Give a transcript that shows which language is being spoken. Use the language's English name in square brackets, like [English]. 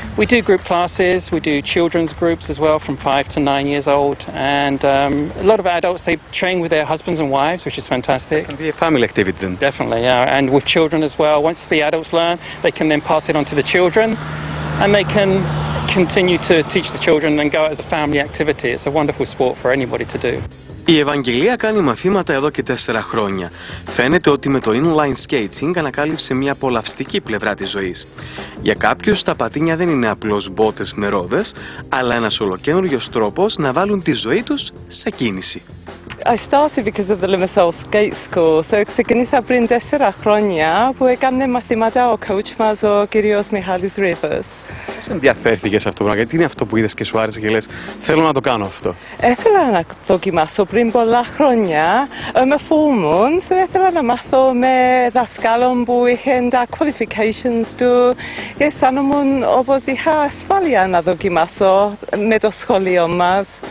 [English] We do group classes, we do children's groups as well from 5 to 9 years old, and a lot of adults, they train with their husbands and wives, which is fantastic. It can be a family activity then. Definitely, yeah, and with children as well. Once the adults learn, they can then pass it on to the children, and they can continue to teach the children and go out as a family activity. It's a wonderful sport for anybody to do. [Greek] Η Ευαγγελία κάνει μαθήματα εδώ και 4 χρόνια. Φαίνεται ότι με το inline skating ανακάλυψε μια απολαυστική πλευρά της ζωής. Για κάποιους τα πατίνια δεν είναι απλώς μπότες με ρόδες, αλλά ένας ολοκένουργιος τρόπος να βάλουν τη ζωή τους σε κίνηση. [English] I started because of the Limassol Skate School. [Greek] So ξεκίνησα πριν 4 χρόνια που έκανε μαθήματα ο coach μας, ο κύριος Μιχάλης Ρίβας. Πώς ενδιαφέρθηκες αυτό, γιατί είναι αυτό που είδες και σου άρεσε και λες θέλω να το κάνω αυτό? Έθελα να δοκιμάσω πριν πολλά χρόνια με φούμουν, so ήθελα να μάθω με δασκάλων που είχαν τα qualifications του και αισθάνομουν όπως είχα ασφάλεια να δοκιμάσω με το σχολείο μας.